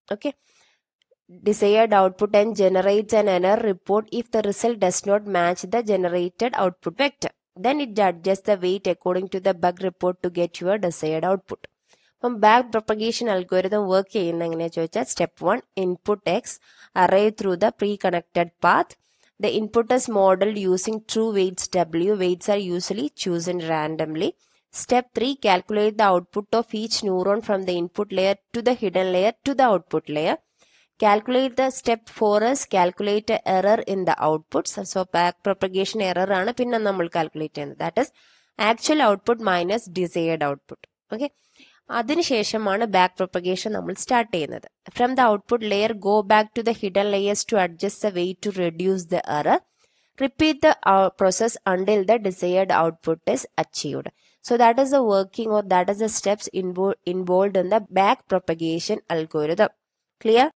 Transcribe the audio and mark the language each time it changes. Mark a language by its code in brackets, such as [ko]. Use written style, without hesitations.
[en] Okay, desired output and generates an error report if the result does not match the generated output vector. Then it adjust the weight according to the bug report to get your desired output. [ml] അപ്പം back propagation algorithm work ചെയ്യുന്ന എങ്ങനെയാണെന്ന് ചോദിച്ചാൽ, step one, [en] Input X array through the pre connected path. The input is modeled using true weights W. Weights are usually chosen randomly. Step 3. Calculate the output of each neuron from the input layer to the hidden layer to the output layer. Calculate the step 4 is calculate error in the output. [ml] So back propagation error ആണ് പിന്നെ നമ്മൾ calculate ചെയ്യുന്നത്. [en] That is actual output minus desired output. Okay. [ml] അതിനുശേഷമാണ് back propagation നമ്മൾ start ചെയ്യുന്നത്. [en] From the output layer go back to the hidden layers to adjust the weight to reduce the error. Repeat the process until the desired output is achieved. So that is the working or that is the steps involved in the back propagation algorithm. Clear?